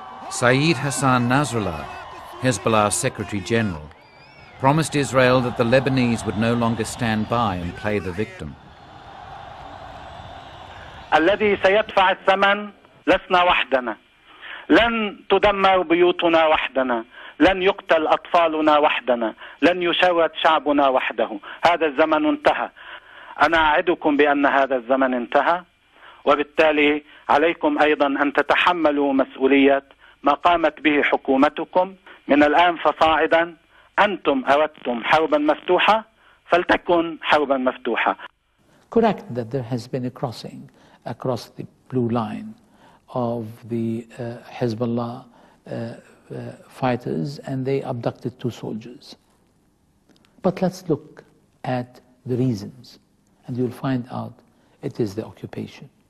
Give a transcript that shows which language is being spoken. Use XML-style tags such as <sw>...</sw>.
<en>Sayyid Hassan Nasrallah, Hezbollah's Secretary General, promised Israel that the Lebanese would no longer stand by and play the victim.</en> <ar>الذي سيدفع الثمن لسنا وحدنا لن تدمر بيوتنا وحدنا لن يقتل أطفالنا وحدنا لن يشرد شعبنا وحده هذا الزمن انتهى أنا أعدكم بأن هذا الزمن انتهى وبالتالي عليكم أيضا أن تتحملوا مسؤولية ما قامت به حكومتكم من الآن فصاعدا أنتم أردتم حربا مفتوحة فلتكن حربا مفتوحة</ar> <en>Correct that there has been a crossing across the blue line of the Hezbollah fighters and they abducted two soldiers. But let's look at the reasons and you'll find out it is the occupation.</en>